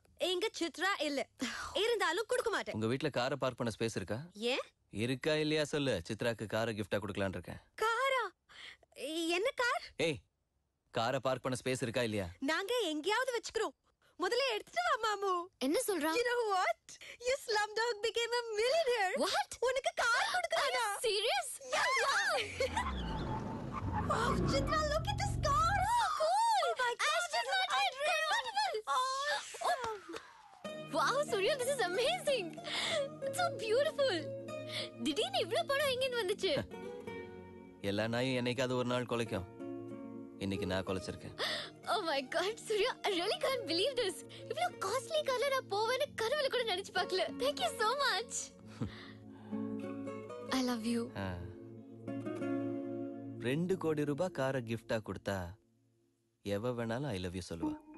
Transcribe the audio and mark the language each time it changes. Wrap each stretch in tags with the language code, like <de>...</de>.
<ta>எங்க சித்ரா இல்ல, இருந்தாலும் கொடுக்க மாட்டேன். உங்க வீட்டுல காரை பார்க் பண்ண ஸ்பேஸ் இருக்கா? ஏன் இருக்கா இல்லையா சொல்லு. சித்ராக்கு காரை கிஃப்டா கொடுக்கலாம்னு இருக்கேன். காரா? என்ன கார்? ஏய், காரை பார்க் பண்ண ஸ்பேஸ் இருக்கா இல்லையா? நாங்க எங்கயாவது வச்சுக்கிறோம். முதல்ல எடுத்துட்டு வா மாமு. என்ன சொல்றா?</ta> <en>You know what? You slum dog became a millionaire. What?</en> <ta>உனக்கு car கொடுக்கறானா?</ta> <en>Serious? Yeah. Wow. Oh, Chitra, look at this car. Oh, cool. Oh my god. It's not a dream. Awesome. Oh. Wow, Surya, this is amazing. It's so beautiful.</en> <ta>Didi, நீ இவ்வளவு பணம் எங்க இருந்து வந்துச்சு? எல்லா நாயும் என்னைக்காவது ஒரு நாள் குலைக்கும். இன்னைக்கு நான் குலைச்சிருக்கேன்.</ta> <en>Oh my god, Surya, I really can't believe this.</en> <ta>இவ்வளவு காஸ்ட்லி கார்ல நான் போவேன்னு கனவுல கூட நினைச்சு பார்க்கல.</ta> <en>Thank you so much. I love you.</en> <ta>ரெண்டு கோடி ரூபாய் காரை கிஃப்டா கொடுத்தா எவ வேணாலும்</ta> <en>I love you</en> <ta>சொல்லுவா.</ta>